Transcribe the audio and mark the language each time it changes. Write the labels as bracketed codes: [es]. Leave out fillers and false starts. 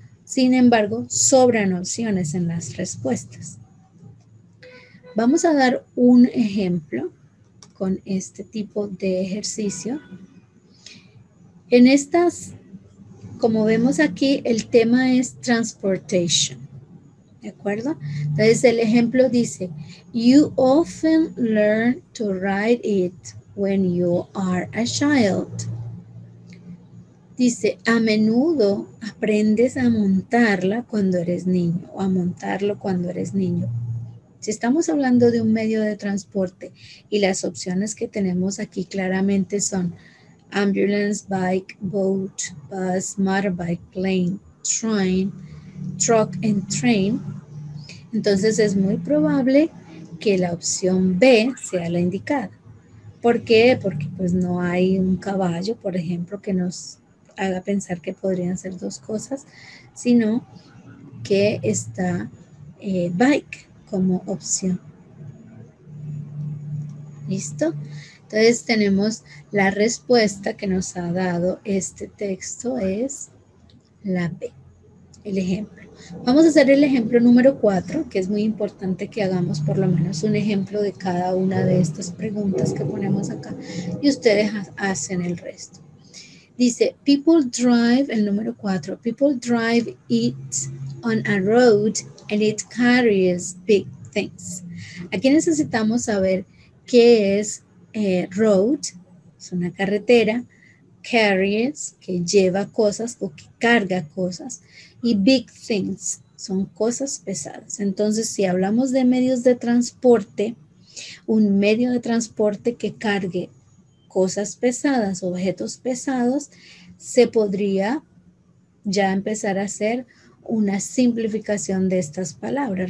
[es] Sin embargo, sobran opciones en las respuestas. Vamos a dar un ejemplo con este tipo de ejercicio. En estas, como vemos aquí, el tema es transportation. ¿De acuerdo? Entonces, el ejemplo dice, [en] "You often learn to ride it when you are a child." [es] Dice, a menudo aprendes a montarla cuando eres niño o a montarlo cuando eres niño. Si estamos hablando de un medio de transporte y las opciones que tenemos aquí claramente son ambulance, bike, boat, bus, motorbike, plane, train, truck and train, entonces es muy probable que la opción B sea la indicada. ¿Por qué? Porque pues no hay un caballo, por ejemplo, que nos haga pensar que podrían ser dos cosas, sino que está bike como opción. ¿Listo? Entonces tenemos la respuesta que nos ha dado este texto es la B, el ejemplo. Vamos a hacer el ejemplo número 4, que es muy importante que hagamos por lo menos un ejemplo de cada una de estas preguntas que ponemos acá y ustedes hacen el resto. [en] Dice, people drive, [es] el número 4, [en] people drive it on a road and it carries big things. [es] Aquí necesitamos saber qué es road, es una carretera, carries, que lleva cosas o que carga cosas, y big things, son cosas pesadas. Entonces, si hablamos de medios de transporte, un medio de transporte que cargue cosas pesadas, objetos pesados, se podría ya empezar a hacer una simplificación de estas palabras.